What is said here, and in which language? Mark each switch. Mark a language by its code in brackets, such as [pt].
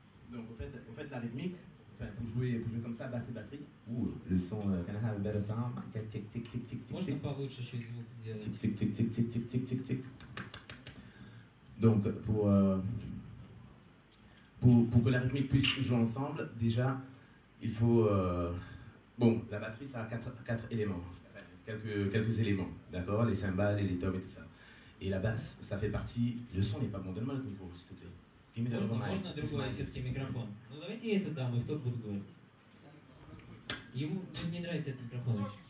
[fr] Donc vous faites la rythmique, enfin vous jouez comme ça, basse et batterie. Ouh, le son, [en] can I have a better sound? Tic tic tic tic tic tic. [fr] Moi je parle autre chose. Tic tic tic tic tic tic tic tic tic tic. Donc pour que la rythmique puisse jouer ensemble, déjà il faut la batterie ça a quatre éléments, quelques éléments, d'accord, les cymbales et les toms et tout ça. Et la basse, ça fait partie. Le son n'est pas bon. Donne-moi le micro, s'il te plaît. [ru] Можно другой все-таки микрофон? Ну давайте я это дам, и кто будет говорить? Ему не нравится этот микрофон.